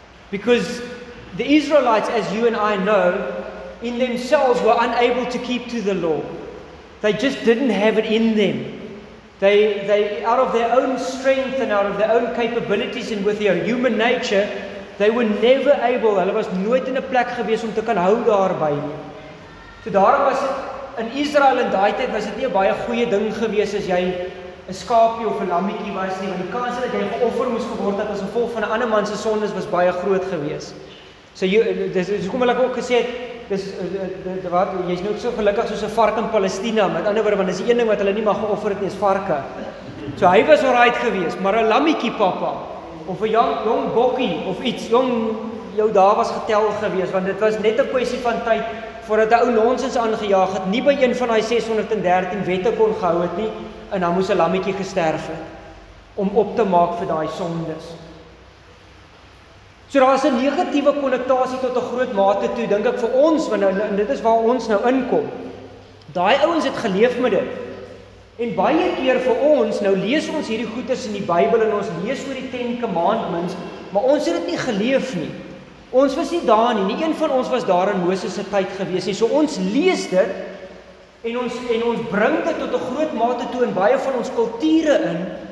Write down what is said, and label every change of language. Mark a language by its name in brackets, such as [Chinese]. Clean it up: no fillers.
[English] Because the Israelites, as you and I know, in themselves were unable to keep to the law. They just didn't have it in them. They, out of their own strength and out of their own capabilities and with their human nature, they were never able, [Afrikaans] hulle was nooit in 'n plek gewees om te kan hou daarby nie. So daarom was het, in Israel in daai tyd was het nie 'n baie goeie ding gewees as jy 'n skaapie of 'n lammetjie was nie, want die kans dat jy geoffer moes geword het as 'n volk van 'n ander man se sondes was baie groot gewees. So jy, dis hoekom hulle ook gesê het, dis wat jy is nooit so gelukkig soos 'n vark in Palestina. Met ander woorde, want dis die een ding wat hulle nie mag geoffer het nie, is varke. So hy was alright geweest, maar 'n lammetjie papa of 'n jong bokkie of iets jong jou daar was getel geweest, want dit was net 'n kwessie van tyd voordat 'n ou nonsens aangejaag het, nie by een van daai 613 wette kon gehou het nie, en dan moes 'n lammetjie gesterf het om op te maak vir daai sondes. So daar is 'n negatiewe konnotasie tot 'n groot mate toe, dink ek vir ons, want nou, en dit is waar ons nou inkom. Daai ouens het geleef met dit. En baie keer vir ons, nou lees ons hierdie goeders in die Bybel en ons lees oor die 10 commandments, maar ons het dit nie geleef nie. Ons was nie daar nie, nie een van ons was daar in Moses se tyd gewees nie. So ons lees dit en ons bring dit tot 'n groot mate toe in baie van ons kulture in.